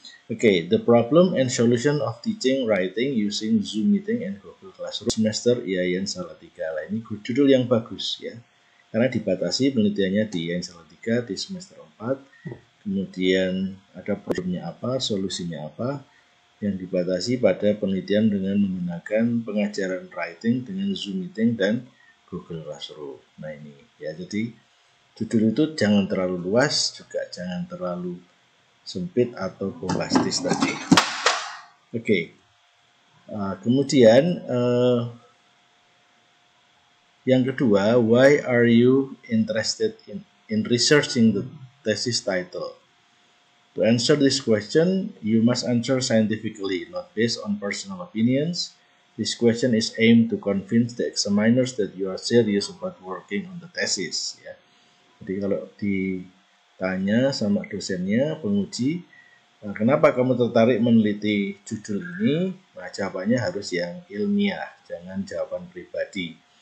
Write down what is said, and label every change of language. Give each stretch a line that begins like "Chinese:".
English: Oke, the problem and solution of teaching writing using Zoom meeting and Google Classroom semester IAIN Salatiga.
Indonesian: Lah, ini judul yang bagus ya. Karena dibatasi penelitiannya di IAIN Salatiga di semester 4. Kemudian ada problemnya apa, solusinya apa, yang dibatasi pada penelitian dengan menggunakan pengajaran writing dengan Zoom meeting dan Google Classroom. Nah ini, ya jadi Judul itu jangan terlalu luas, juga jangan terlalu sempit atau bombastis tadi. Oke. Kemudian yang kedua,
English: why are you interested in researching the thesis title? To answer this question, you must answer scientifically, not based on personal opinions. This question is aimed to convince the examiners that you are serious about working on the thesis.
Indonesian: Ya. Jadi kalau ditanya sama dosennya, penguji, kenapa kamu tertarik meneliti judul ini? Nah, jawabannya harus yang ilmiah, jangan jawaban pribadi.